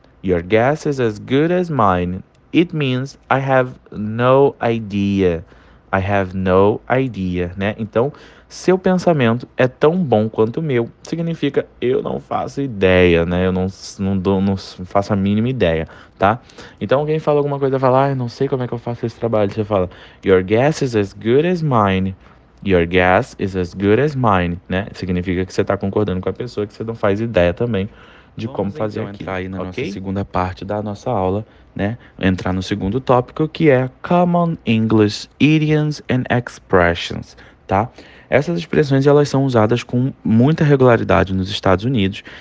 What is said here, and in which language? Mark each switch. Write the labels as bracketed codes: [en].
[en] Your guess is as good as mine. It means I have no idea. I have no idea, né? [pt] Então, seu pensamento é tão bom quanto o meu, significa eu não faço ideia, né? Eu não faço a mínima ideia, tá? Então, alguém fala alguma coisa, fala, ah, não sei como é que eu faço esse trabalho. Você fala, [en] your guess is as good as mine. Your guess is as good as mine, né? [pt] Significa que você tá concordando com a pessoa, que você não faz ideia também de Vamos como fazer então aqui. Entrar aí na okay? nossa segunda parte da nossa aula, né? Entrar no segundo tópico, que é [en] Common English Idioms and Expressions, [pt] tá? Essas expressões, elas são usadas com muita regularidade nos Estados Unidos.